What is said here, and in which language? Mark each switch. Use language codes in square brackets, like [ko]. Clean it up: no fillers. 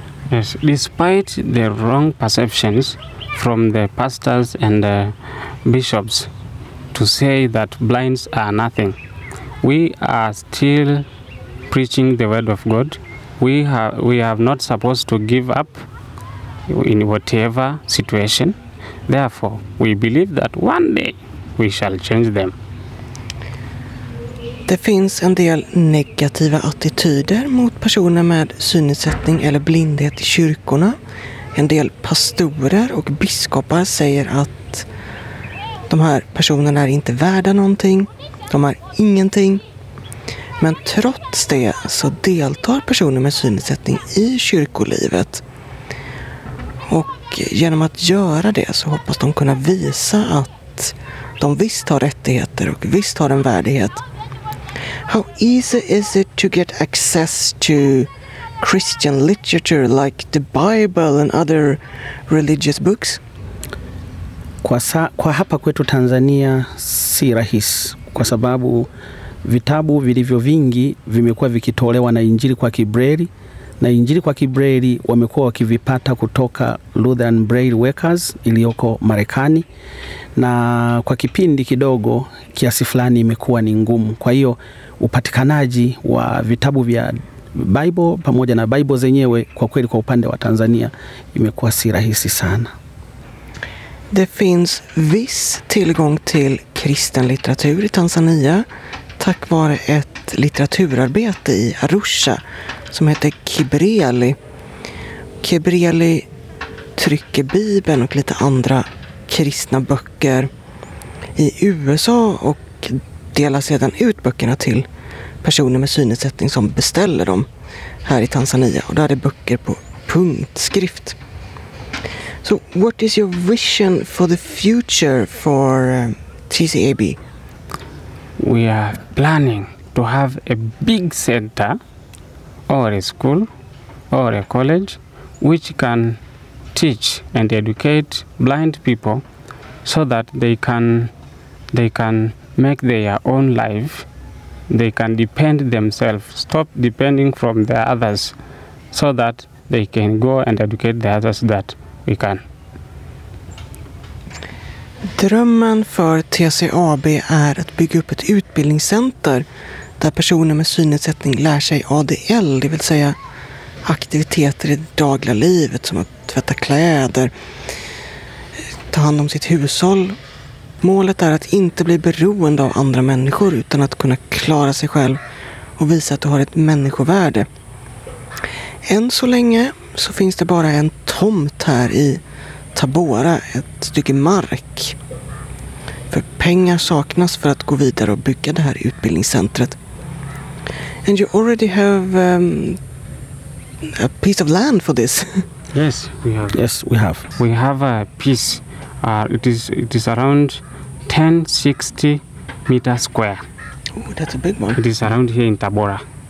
[en] Yes, despite the wrong perceptions from the pastors and the bishops to say that blinds are nothing, we are still preaching the word of God. We have not supposed to give up in whatever situation. Therefore, we believe that one day we shall change them. [sv] Det finns en del negativa attityder mot personer med synnedsättning eller blindhet i kyrkorna. En del pastorer och biskopar säger att de här personerna är inte värda någonting. De är ingenting. Men trots det så deltar personer med synnedsättning i kyrkolivet. Och genom att göra det så hoppas de kunna visa att de visst har rättigheter och visst har en värdighet. [en] How easy is it to get access to Christian literature like the Bible and other religious books? [sw] Kwa hapa kwetu Tanzania si rahisi kwa sababu vitabu vilivyo vingi vimekuwa vikitolewa na Injili kwa Kibreli, na Injili kwa Kibreli wamekuwa wakivipata kutoka Lutheran Braille Workers iliyoko Marekani, na kwa kipindi kidogo kiasi fulani imekuwa ni ngumu. Kwa hiyo upatikanaji wa vitabu vya Bible pamoja na Bible zenyewe kwa kweli kwa upande wa Tanzania imekuwa si rahisi sana. [sv] Det finns viss tillgång till kristen litteratur i Tanzania tack vare ett litteraturarbete i Arusha som heter Kibreli. Kibreli trycker Bibeln och lite andra kristna böcker i USA och delar sedan ut böckerna till personer med synnedsättning som beställer dem här i Tanzania. Och där är det böcker på punktskrift. [en] So what is your vision for the future for TCAB? We are planning to have a big center or a school or a college which can teach and educate blind people so that they can make their own life. They can depend themselves, stop depending from the others, so that they can go and educate the others that we can. [sv] Drömmen för TCAB är att bygga upp ett utbildningscenter där personer med synnedsättning lär sig ADL, det vill säga aktiviteter i det dagliga livet som att tvätta kläder, ta hand om sitt hushåll. Målet är att inte bli beroende av andra människor utan att kunna klara sig själv och visa att du har ett människovärde. Än så länge så finns det bara en tomt här i Tabora, ett stycke mark. För pengar saknas för att gå vidare och bygga det här utbildningscentret. [en] And you already have a piece of land for this. Yes, we have. Yes, we have. We have a piece. It is around 1060 meter square. Oh, that's a big one. It is around here in Tabora.